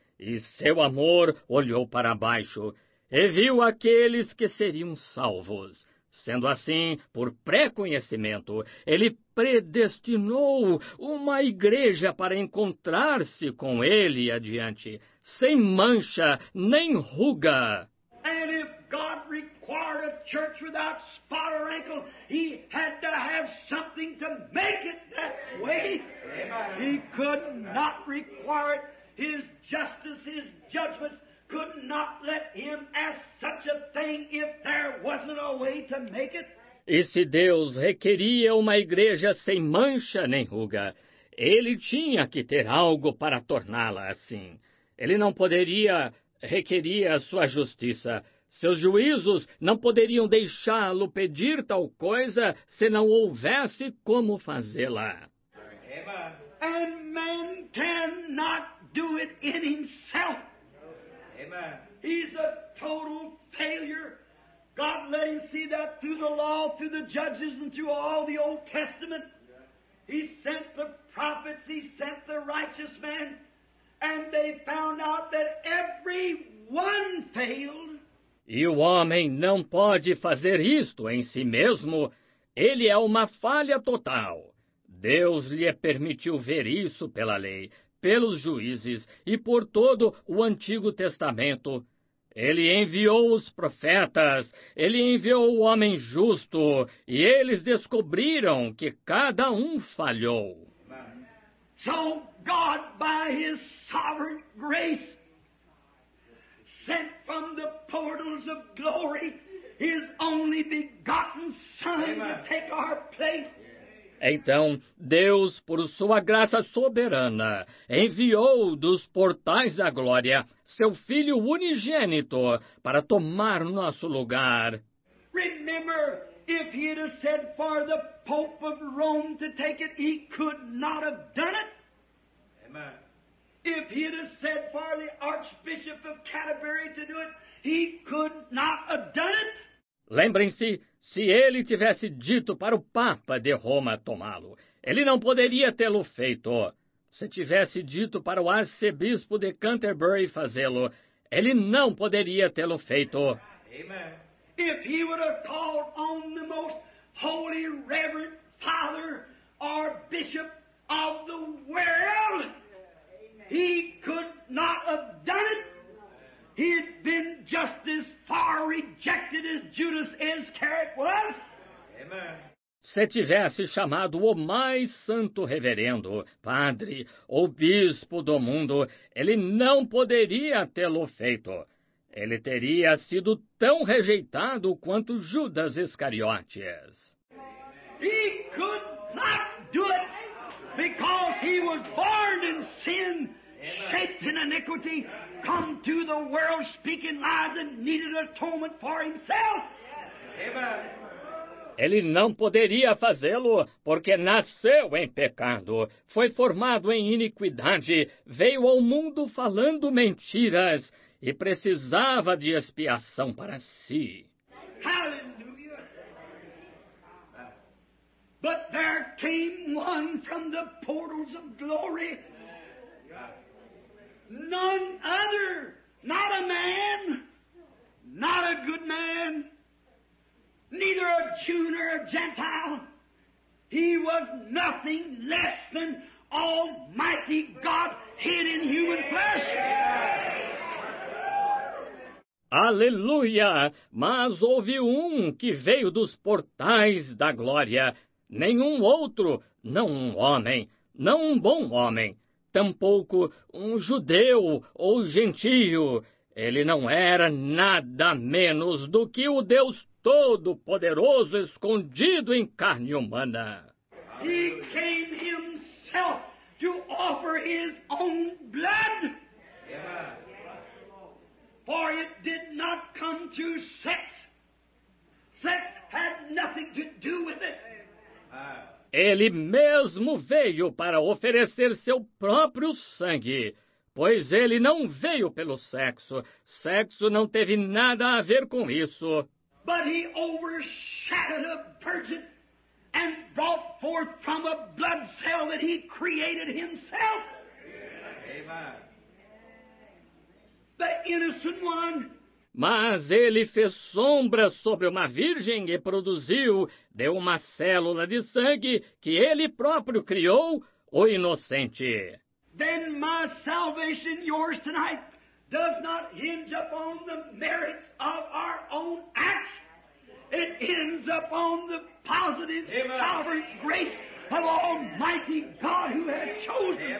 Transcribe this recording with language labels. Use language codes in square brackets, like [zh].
[pt] E seu amor olhou para baixo e viu aqueles que seriam salvos. Sendo assim, por pré-conhecimento, ele predestinou uma igreja para encontrar-se com ele adiante, sem mancha nem ruga. [en] And if God required a church without spot or wrinkle, he had to have something to make it that way. He could not require it. His justice, his judgments could not let him ask such a thing if there wasn't a way to make it. [pt] E se Deus requeria uma igreja sem mancha nem ruga, ele tinha que ter algo para torná-la assim. Ele não poderia requerir a sua justiça. Seus juízos não poderiam deixá-lo pedir tal coisa se não houvesse como fazê-la. [en] And man cannot do it in himself. Amen. He's a total failure. God let him see that through the law, through the judges, and through all the Old Testament. He sent the prophets, he sent the righteous men, and they found out that every one failed. [pt] E o homem não pode fazer isto em si mesmo. Ele é uma falha total. Deus lhe permitiu ver isso pela lei, pelos juízes e por todo o Antigo Testamento. Ele enviou os profetas, ele enviou o homem justo, e eles descobriram que cada um falhou. [en] So God, by his sovereign grace, sent from the portals of glory his only begotten Son to take our place. [pt] Então, Deus, por sua graça soberana, enviou dos portais da glória seu Filho unigênito para tomar nosso lugar. [en] Remember, if he had said for the Pope of Rome to take it, he could not have done it. Amen. If he had said for the Archbishop of Canterbury to do it, he could not have done it. [pt] Lembrem-se, se ele tivesse dito para o Papa de Roma tomá-lo, ele não poderia tê-lo feito. Se tivesse dito para o Arcebispo de Canterbury fazê-lo, ele não poderia tê-lo feito. [en] Amen. If he would have called on the most holy, reverend father or bishop of the world, he could not have done it. He had been just as far rejected as Judas Iscariot was. Amen. [pt] Se tivesse chamado o mais santo reverendo, padre ou bispo do mundo, ele não poderia tê-lo feito. Ele teria sido tão rejeitado quanto Judas Iscariotes. [en] He could not do it because he was born in sin. Shaped in iniquity, come to the world speaking lies and needed atonement for himself. Amen. [pt] Ele não poderia fazê-lo porque nasceu em pecado, foi formado em iniquidade, veio ao mundo falando mentiras e precisava de expiação para si. [en] Hallelujah. But there came one from the portals of glory. None other, not a man, not a good man, neither a Jew nor a Gentile. He was nothing less than Almighty God hid in human flesh. [pt] Aleluia! Mas houve um que veio dos portais da glória. Nenhum outro, não um homem, não um bom homem. Tampouco um judeu ou gentio. Ele não era nada menos do que o Deus Todo-Poderoso escondido em carne humana. [en] He came himself to offer his own blood. For it did not come to sex. Sex had nothing to do with it. [pt] Ele mesmo veio para oferecer seu próprio sangue, pois ele não veio pelo sexo. Sexo não teve nada a ver com isso. [en] But he overshadowed a virgin and brought forth from a blood cell that he created himself. Amen. The innocent one. [pt] Mas ele fez sombra sobre uma virgem e produziu, de uma célula de sangue que ele próprio criou, o inocente. [en] Then my salvation, yours tonight, does not hinge upon the merits of our own acts. It hinges upon the positive, Amen. Sovereign grace of Almighty God who has chosen